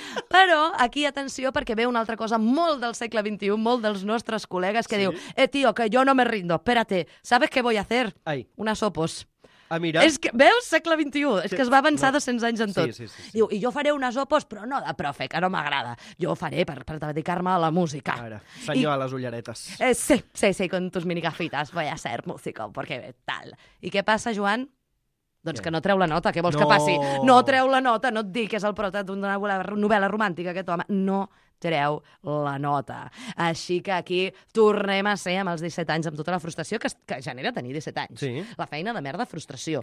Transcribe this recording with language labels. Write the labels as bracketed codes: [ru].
[ca] Però aquí, atenció, perquè ve una altra cosa molt del segle XXI, molt dels nostres col·legues, que diu, tio, que jo [es] no me rindo, espérate, ¿sabes qué voy a hacer? [ca] Ai. [es] Unas opos. [ca] Ah, mira. És que, veus, segle XXI, és que es va avançar 200 anys en tot. Sí, sí, sí, sí. Diu, i jo faré unes opos, però no de profe, que no m'agrada. Jo ho faré per dedicar-me a la música. Ara, senyor a les ulleretes. [es] Sí, con tus minigafitas, voy a ser músico, porque tal. [ca] I què passa, Joan? Doncs que no treu la nota, què vols que passi? No treu la nota, no et dic que és el prota d'una novel·la romàntica, aquest home. No treu la nota. Així que aquí tornem a ser amb els 17 anys, amb tota la frustració que genera tenir 17 anys. Sí. La feina de merda, frustració.